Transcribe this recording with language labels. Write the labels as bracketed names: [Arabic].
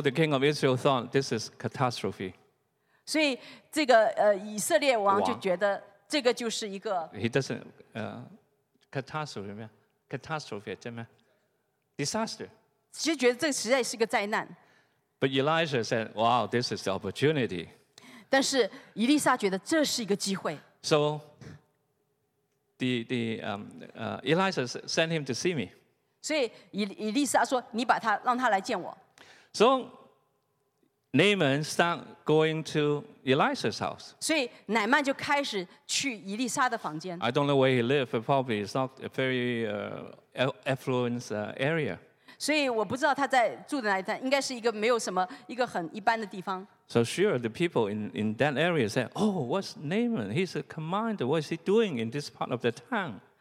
[English] the king of Israel thought this is catastrophe. [Chinese] 所以这个以色列王就觉得这个就是一个。He [English] doesn't catastrophe, catastrophe, [Chinese] 怎么样 [English] ？Disaster. [Chinese] 其实觉得这实在是个灾难。But [English] Elijah said, "Wow, this is the opportunity." [Chinese] 但是伊丽莎觉得这是一个机会。So [English] Elijah sent him to see me. [Chinese] 所以伊丽莎说：“你把他让他来见我。”So [English] Naaman start going to Elijah's house. [Chinese] 所以乃曼就开始去伊丽莎的房间。I [English] don't know where he lived, but probably it's not a very affluent area. [Chinese] 所以我不知道他在住的哪一带，应该是一个没有什么一个很一般的地方。So [English] sure, the people in that area said, "Oh, what's Naaman? He's a commander. What is he doing in this part of the town?"